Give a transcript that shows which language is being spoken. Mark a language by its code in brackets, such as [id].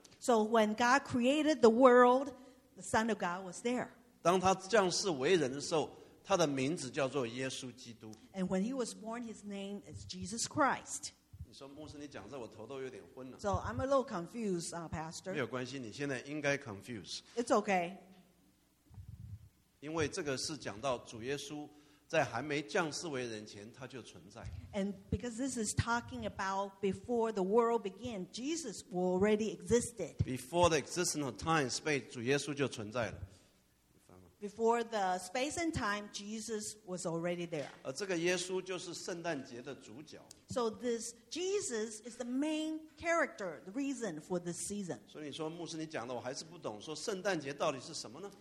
[en] So when God created the world, the Son of God was there. [zh] 当他降世为人的时候，他的名字叫做耶稣基督。 [en] And when he was born, his name is Jesus Christ. [zh] 说牧师，你讲这我头都有点昏了。So [en] I'm a little confused, Pastor. [zh] 没有关系，你现在应该 confused. [en] It's okay. [zh] 因为这个是讲到主耶稣在还没降世为人前，他就存在。And [en] because this is talking about before the world began, Jesus already existed. Before the existence of time and space, [zh] 主耶稣就存在了。 [en] Before the space and time, Jesus was already there. [zh] 而这个耶稣就是圣诞节的主角。 [en] So this Jesus is the main character, the reason for this season. [zh] 所以你说牧师你讲的我还是不懂，说圣诞节到底是什么呢？